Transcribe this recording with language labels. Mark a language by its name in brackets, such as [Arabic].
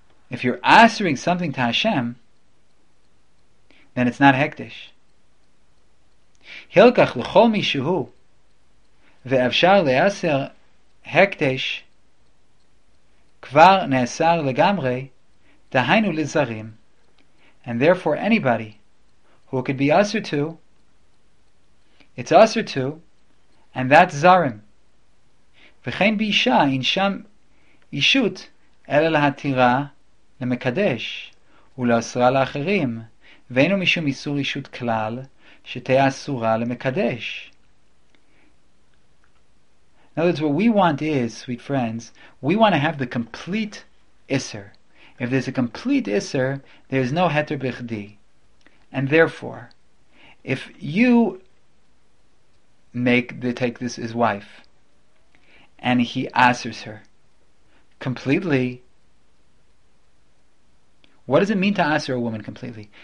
[English] If you're assuring something to Hashem, then it's not hektish. [Hebrew] Hilkach l'chol mishuhu ואפשר לאסר הקדש כבר נאסר לגמרי, דהיינו לזרים. [English] And therefore anybody who could be usher to, it's usher to, and that's zarim. [Hebrew] וכן באישה, אין שם אישות, אלא להתירה למקדש, ולאסרה לאחרים, ואינו משום איסור אישות כלל, שתהיה אסורה למקדש. [English] In other words, what we want is, sweet friends, we want to have the complete iser. If there's a complete iser, there's no heter bichdi. And therefore, if you take this as wife, and he asers her completely, what does it mean to aser a woman completely?